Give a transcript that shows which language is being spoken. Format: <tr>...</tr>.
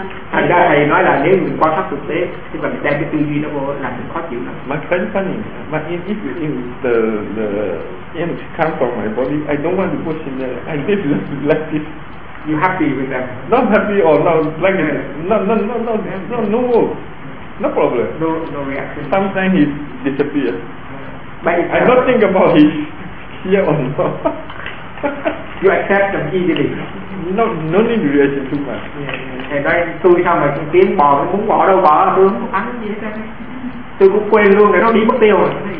<vi>Thành ra thầy nói là nếu mình quan sát thực tế, thì mình đem cái tư duy nó vô là mình khó chịu lắm.</vi> <en>But very funny. But if you think the energy comes from my body, I don't want to push in there. I just like this. You happy with that? Not happy or not like it? No. No problem. No reaction. Sometimes he disappears. I don't think about his here or not. You accept them easily. No need to reaction too much.</en> <vi>Thầy nói tôi sao mà con kiến bò nó muốn bỏ đâu bỏ, tôi không có ăn gì hết. Tôi cũng quên luôn để nó đi mất tiêu rồi.</vi>